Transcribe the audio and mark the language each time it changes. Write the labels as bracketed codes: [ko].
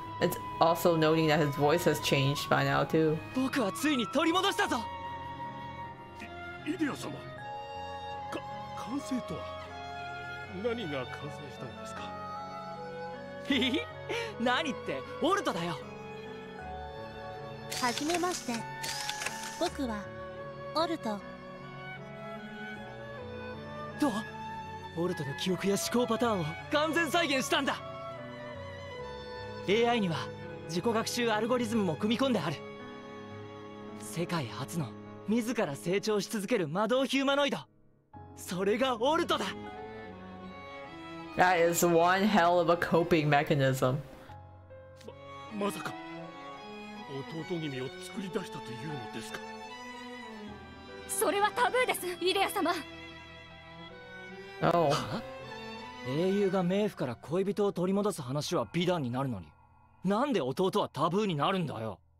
[en] It's also noting that his voice has changed by now too. [ja] 僕はついに取り戻したぞ。イデア様、完成とは。何が完成したんですか。何ってオルトだよ。はじめまして、僕はオルト。どう、オルトの記憶や思考パターンを完全再現したんだ。 AI には自己学習アルゴリズムも組み込んである。世界初の自ら成長し続ける魔導ヒューマノイド、それがオルトだ。 [en] That is one hell of a coping mechanism. [ja] まさか弟君を作り出したというのですか。それはタブーです、イデア様。 [en] Oh. [ja] 英雄が冥府から恋人を取り戻す話は美談になるのに、なんで弟はタブーになるんだよ。